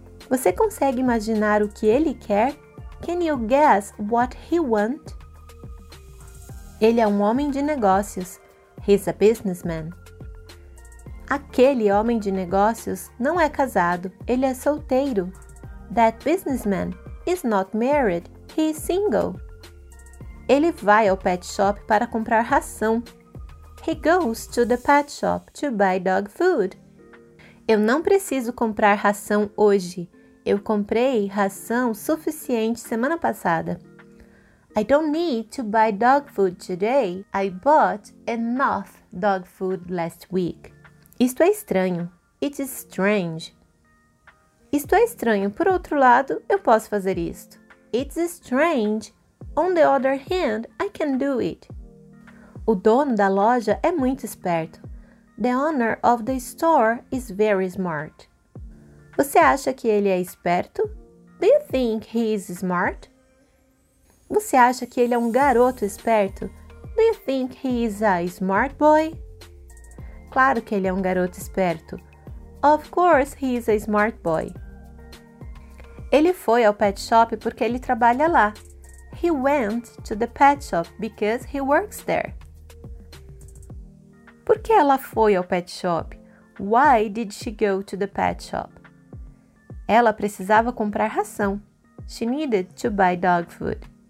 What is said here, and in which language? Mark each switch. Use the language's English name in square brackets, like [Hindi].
[Portuguese] Você consegue imaginar o que ele quer? [English] Can you guess what he want? [Portuguese] Ele é um homem de negócios. [English] He's a businessman. [Portuguese] Aquele homem de negócios não é casado, ele é solteiro. [English] That businessman is not married, he is single. [Portuguese] Ele vai ao pet shop para comprar ração. [English] He goes to the pet shop to buy dog food. [Portuguese] Eu não preciso comprar ração hoje. Eu comprei ração suficiente semana passada. [English] I don't need to buy dog food today. I bought enough dog food last week. [Portuguese] Isto é estranho. [English] It is strange. [Portuguese] Isto é estranho. Por outro lado, eu posso fazer isto. [English] It's strange. On the other hand, I can do it. [Portuguese] O dono da loja é muito esperto. [English] The owner of the store is very smart. [Portuguese] Você acha que ele é esperto? [English] Do you think he is smart? [Portuguese] Você acha que ele é um garoto esperto? [English] Do you think he is a smart boy? [Portuguese] Claro que ele é um garoto esperto. [English] Of course he is a smart boy. [Portuguese] Ele foi ao pet shop porque ele trabalha lá. [English] He went to the pet shop because he works there. [Portuguese] Por que ela foi ao pet shop? [English] Why did she go to the pet shop? [Portuguese] Ela precisava comprar ração. [English] She needed to buy dog food.